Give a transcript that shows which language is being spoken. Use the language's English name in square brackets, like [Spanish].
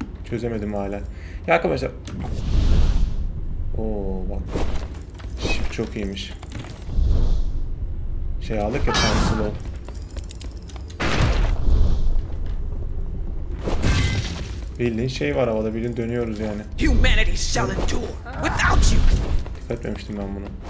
[Turkish] Çözemedim hala. Ya arkadaşlar. Oo bak. Şif çok iyiymiş. Şey aldık ya, tanesi de. Bildiğin şey var havada, bildiğin dönüyoruz yani. [English] Humanity shall endure without you. [Turkish] Dikkat etmemiştim ben bunu.